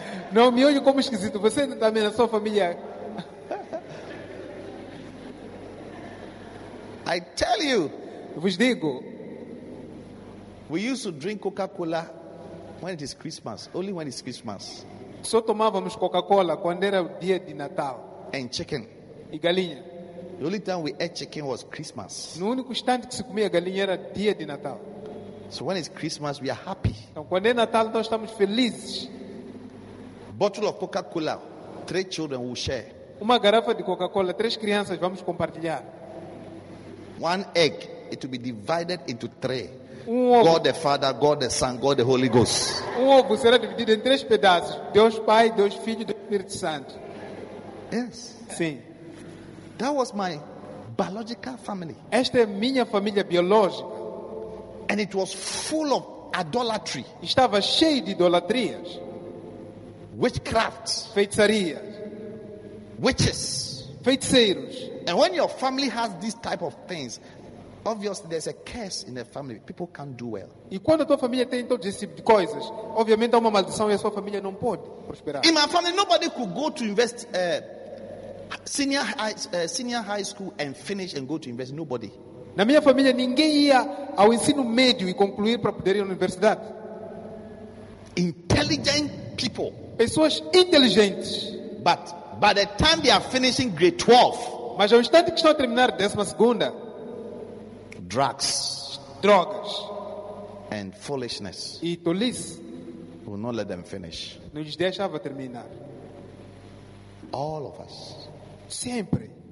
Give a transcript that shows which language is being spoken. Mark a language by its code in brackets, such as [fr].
[pt] Não, me olhe como esquisito. Você também na sua família. [en] I tell you. [pt] Vos digo. [en] We used to drink Coca-Cola when it is Christmas. Only when it's Christmas. [pt] Só tomávamos Coca-Cola quando era dia de Natal. [en] And chicken. [pt] E galinha. [en] The only time we ate chicken was Christmas. [pt] No único instante que se comia galinha era dia de Natal. [en] So when it's Christmas, we are happy. [pt] Então, quando é Natal, nós estamos felizes. [en] Bottle of Coca-Cola, three children will share. [pt] Uma garrafa de Coca-Cola, três crianças vamos compartilhar. [en] One egg, it will be divided into three. God the Father, God the Son, God the Holy Ghost. [pt] Ovo será dividido em três pedaços. Deus Pai, Deus Filho e Deus Espírito Santo. [en] Yes. [pt] Sim. [en] That was my biological family. [pt] Esta é minha família biológica. [en] And it was full of idolatry. [pt] Estava cheio de idolatrias. [en] Witchcraft. [pt] Feitiçarias. [en] Witches. [pt] Feiticeiros. [en] And when your family has this type of things, obviously there's a curse in the family. People can't do well. [pt] E quando a tua família tem todo esse tipo de coisas, obviamente há uma maldição e a sua família não pode prosperar. [en] In my family, nobody could go to invest senior high school and finish and go to invest. Nobody. [pt] Na minha família, ninguém ia ao ensino médio e concluir para poder ir à universidade. [en] Intelligent people. [pt] Pessoas inteligentes. [en] But by the time they are finishing grade 12. [pt] Mas ao instante que estão a terminar a 12ª. [en] Drugs. [pt] Drogas. [en] And foolishness. [pt] E tolice. [en] Will not let them finish. [pt] Não lhes deixava terminar. [en] All of us. [pt] Sempre.